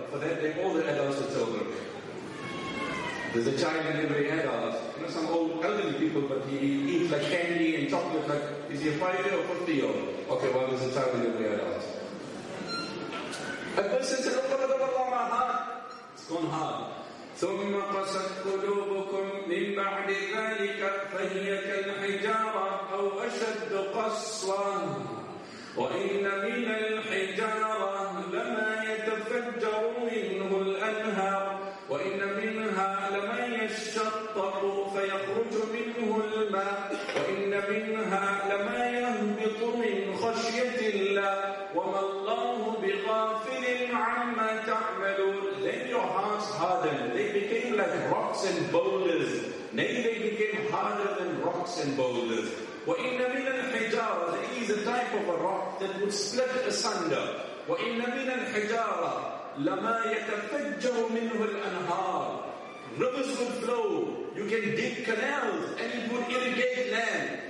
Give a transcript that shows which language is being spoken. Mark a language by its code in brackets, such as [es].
[en] For that, they all the adults are children. There's a child in every adult. You know, some old elderly people, but he eats like candy and chocolate. Like, is he a 5 year or 50 year? Okay, well, there's a child in every adult. A person said, "Oh, Allah, Allah, my heart, it's gone hard." [ar] ثم قست قلوبكم من بعد ذلك فهي كالحجارة أو أشد قسوة وإن من الحجارة لما يتفجر منه الأنهار وإن منها لمن يشطط فيخرج منه الماء وإن منها لما يهبط من خشية الله وما الله بغافل عما تعملون. [en] Then your hearts hardened, they became like rocks and boulders. Nay, they became harder than rocks and boulders. [ar] وَإِنَّ مِنَ الْحِجَارَةِ, [en] there is a type of a rock that would split asunder. [ar] وَإِنَّ مِنَ الْحِجَارَةِ لَمَا يَتَفَجَّرُ مِنْهُ الْأَنْهَارِ, [en] rivers would flow, you can dig canals and it would irrigate land.